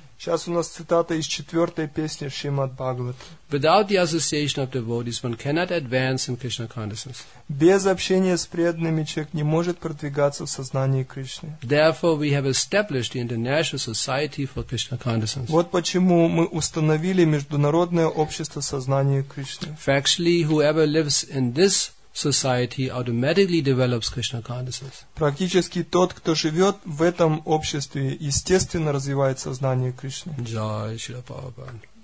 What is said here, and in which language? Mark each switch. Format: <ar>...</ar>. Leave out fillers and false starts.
<ru>Сейчас у нас цитата из четвертой песни Шримад Бхагават.</ru> <en>Without the association of devotees, one cannot advance in Krishna consciousness.</en> <ru>Без общения с преданными человек не может продвигаться в сознании Кришны.</ru> <en>Therefore, we have established the International Society for Krishna Consciousness.</en> <ru>Вот почему мы установили международное общество сознания Кришны.</ru> <en>Factually, whoever lives in this society automatically develops Krishna consciousness.</en> <ru>Практически тот, кто живет в этом обществе, естественно развивает сознание Кришны.</ru> <en>Jai Shri Prabhupada.</en>